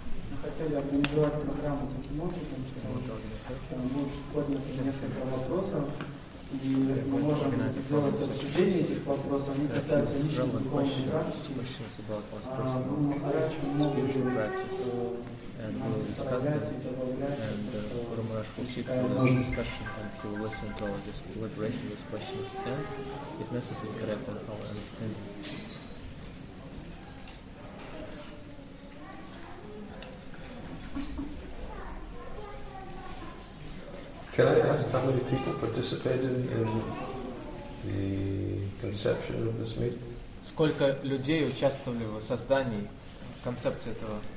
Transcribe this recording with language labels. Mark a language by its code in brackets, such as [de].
[ru] Мы хотели организовать программу таким образом, что мы подняли несколько вопросов, и мы можем сделать обсуждение этих вопросов, не касается личных духовных практик. [en] And we will discuss them, and Guru Maharaj will sit through the discussion and he will listen to our deliberation with questions and, if necessary, correct our understanding. Can I ask how many people participated in the conception of this meeting? [ru] Сколько людей участвовали в создании концепции этого?